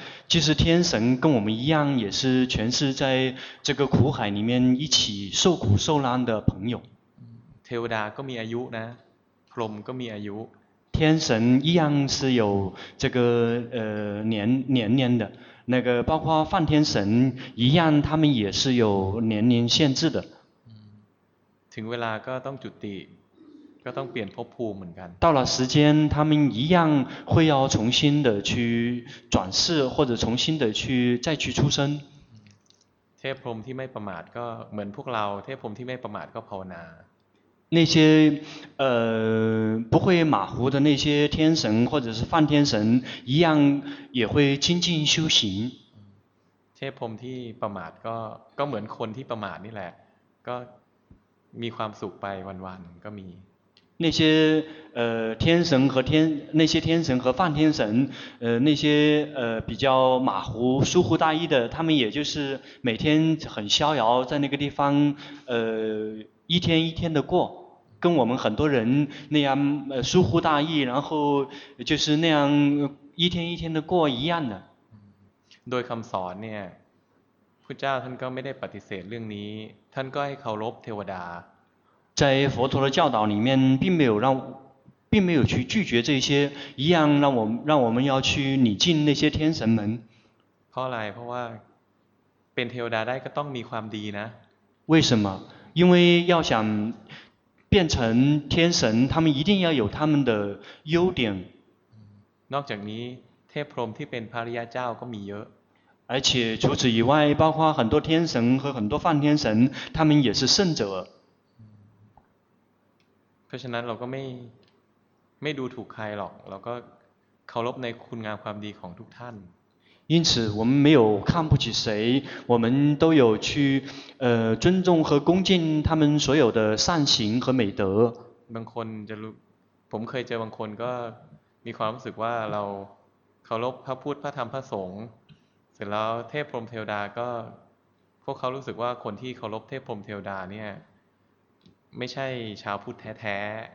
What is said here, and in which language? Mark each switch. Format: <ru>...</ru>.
<zh>其实天神跟我们一样也是全是在这个苦海里面一起受苦受难的朋友</zh> <th>เทวดาก็มีอายุนะพรหมก็มีอายุ</th> <zh>天天神一样是有这个年龄的，那个包括梵天神一样，他们也是有年龄限制的。</zh> <th>ถึงเวลาก็ต้องจุติก็ต้องเปลี่ยนภพภูมิเหมือนกัน</th> <zh>到了时间他们一样会要重新的去转世或者重新的去再去出生</zh> <th>เทพพรหมที่ไม่ประมาทก็เหมือนพวกเราเทพพรหมที่ไม่ประมาทก็ภาวนา</th> <zh>那些不会马虎的那些天神或者是梵天神一样也会精进修行</zh> <th>เทพพรหมที่ประมาทก็เหมือนคนที่ประมาทนี่แหละก็มีความสุขไปวันๆก็มี</th> <zh>那些天神和天那些天神和梵天神那些比较马虎疏忽大意的他们也就是每天很逍遥在那个地方一天一天的过跟我们很多人那样疏忽大意然后就是那样一天一天的过一样的</zh> <th>โดยคำสอนเนี่ยพุทธเจ้าท่านก็ไม่ได้ปฏิเสธเรื่องนี้ท่านก็ให้เคารพเทวดา</th> <zh>在佛陀的教导里面并没有去拒绝这些一样让我们要去礼敬那些天神们</zh> <th>เพราะอะไรเพราะว่าเป็นเทวดาได้ก็ต้องมีความดีนะ</th> <zh>为什么因为要想变成天神他们一定要有他们的优点</zh> <th>นอกจากนี้เทพพรหมที่เป็นพระอริยะเจ้าก็มีเยอะ</th> <zh>而且除此以外包括很多天神和很多梵天神他们也是圣者</zh> <th>เพราะฉะนั้นเราก็ไม่ดูถูกใครหรอกเราก็เคารพในคุณงามความดีของทุกท่าน</th> <zh>因此我们没有看不起谁我们都有去尊重和恭敬他们所有的善行和美德</zh> <th>บางคนจะรู้ผมเคยเจอบางคนก็มีความรู้สึกว่าเราเคารพพระพุทธพระธรรมพระสงฆ์เสร็จแล้วเทพพรหมเทวดาก็พวกเขารู้สึกว่าคนที่เคารพเทพพรหมเทวดาเนี่ยไม่ใช่ชาวพุทธแท้ๆ</th>